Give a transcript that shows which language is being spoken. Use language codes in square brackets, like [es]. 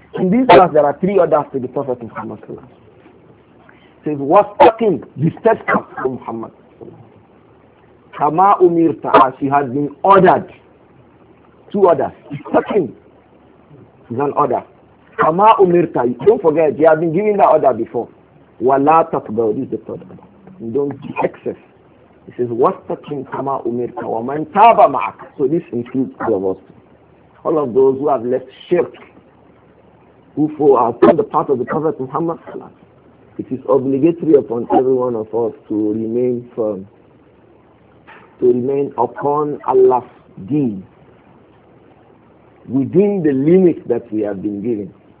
[en] In this verse, there are three orders to the Prophet Muhammad. He says, وَاسْتَقِمْ, be steadfast, O Muhammad. [ar] كَمَا أُمِرْتَ, [en] as he has been ordered. Two orders. وَاسْتَقِمْ is an order. [ar] كَمَا أُمِرْتَ, [en] don't forget, he has been given that order before. [ar] وَلَا تَطْغَوْا, [en] this is the third order. You don't be excess. He says, [ar] وَاسْتَقِمْ كَمَا أُمِرْتَ وَمَنْ تَابَ مَعَكَ. [en] So this includes all of us. All of those who have left shirk, who are on the path of the Prophet Muhammad, it is obligatory upon every one of us to remain firm, to remain upon Allah's deen, within the limits that we have been given.